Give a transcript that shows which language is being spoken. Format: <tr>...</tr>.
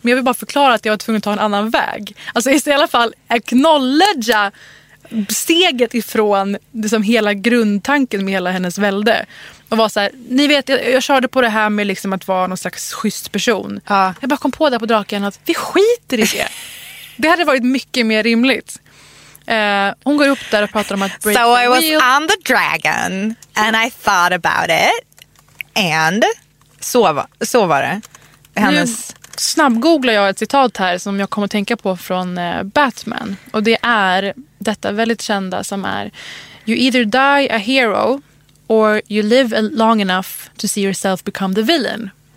<sv>Men jag vill bara förklara att jag var tvungen att ta en annan väg. Alltså i alla fall acknowledgea steget ifrån liksom hela grundtanken med hela hennes välde. Och var så här, ni vet, jag körde på det här med liksom att vara någon slags schysst person. Ja. Jag bara kom på det på draken att vi skiter i det. Det hade varit mycket mer rimligt. Hon går upp där och pratar om att</sv> <en>break the wheel. So I was on the dragon and I thought about it. And</en> <sv>så var det. Hennes... Nu snabbgooglar jag ett citat här som jag kommer att tänka på från Batman. Och det är detta väldigt kända som är:</sv> <en>you either die a hero or you live long enough to see yourself become the villain.</en>